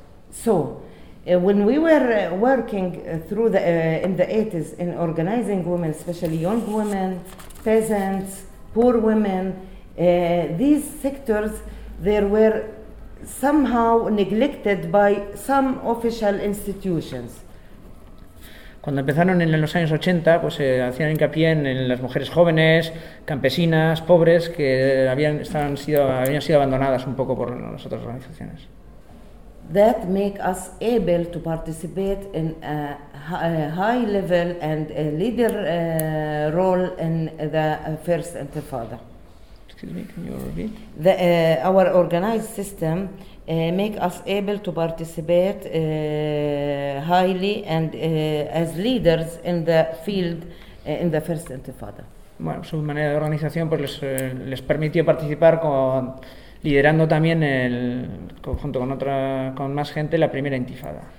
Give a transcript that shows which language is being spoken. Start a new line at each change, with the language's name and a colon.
English: So, when we were working through the in the 80s in organizing women, especially young women, peasants, poor women, these sectors, there were somehow neglected by some official institutions.
Spanish: Cuando empezaron en los años 80, pues se hacían hincapié en las mujeres jóvenes, campesinas, pobres, que habían sido abandonadas un poco por las otras organizaciones.
English: That make us able to participate in a high level and a leader role in the first intifada. Excuse me, can you repeat? The, our organized system make us able to participate highly and as leaders in the field in the first intifada.
Spanish: Bueno, su manera de organización pues les permitió participar con liderando también el conjunto con más gente la primera intifada.